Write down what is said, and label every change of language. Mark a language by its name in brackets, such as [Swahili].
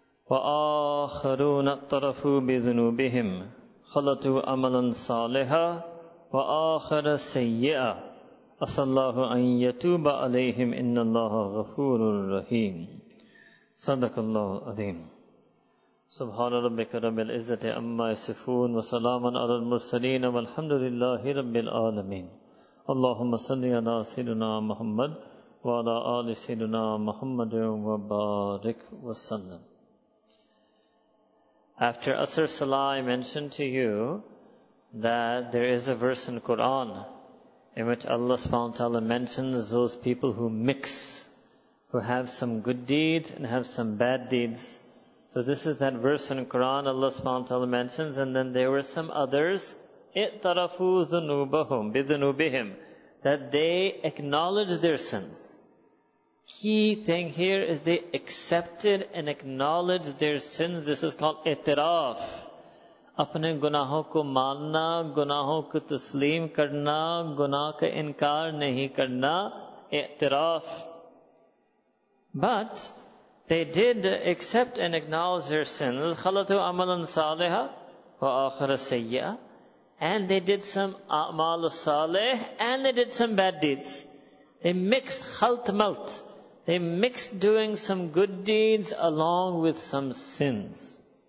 [Arabic] واخرون اعترفوا بذنوبهم خلطوا عملا صالحا واخر سيئا عسى الله ان يتوب عليهم ان الله غفور رحيم صدق الله العظيم سبحان ربك رب العزة عما يصفون وسلام على المرسلين والحمد لله رب العالمين اللهم صل على سيدنا محمد وعلى آل سيدنا محمد وبارك وسلم. [English] After Asr Salah, I mentioned to you that there is a verse in Quran in which Allah subhanahu wa ta'ala mentions those people who mix, who have some good deeds and have some bad deeds. So this is that verse in Quran Allah subhanahu wa ta'ala mentions, and then there were some others, [Arabic] اِعْتَرَفُوا ذُنُوبَهُمْ بِذُنُوبِهِمْ, [English] that they acknowledged their sins. Key thing here is they accepted and acknowledged their sins. This is called اِعْتِرَاف. [Urdu] اپنے گناہوں کو ماننا, گناہوں کو تسلیم کرنا, گناہ کا انکار نہیں کرنا, اِعْتِرَاف. [English] But they did accept and acknowledge their sins. [Arabic] خَلَطُوا عَمَلًا صَالِحًا وَآخَرَ سَيِّئًا, [English] and they did some أعمال صالح and they did some bad deeds. They mixed خَلْط مَلْط. They mixed doing some good deeds along with some sins.